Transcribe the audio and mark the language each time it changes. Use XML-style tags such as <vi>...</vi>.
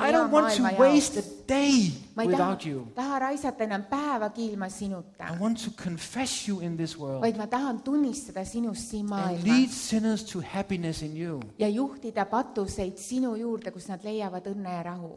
<et>maailma jaoks.</et> <en>I don't want to waste a day without you.</en> <et>Taha raisata enam päevagi ilma sinuta.</et> <en>I want to confess you in this world.</en> <et>Vaid ma tahan tunnistada sinust siin maailmas.</et> <en>Sinners to happiness in you.</en> <et>Ja juhtida patuseid sinu juurde, kus nad leiavad õnne ja rahu.</et>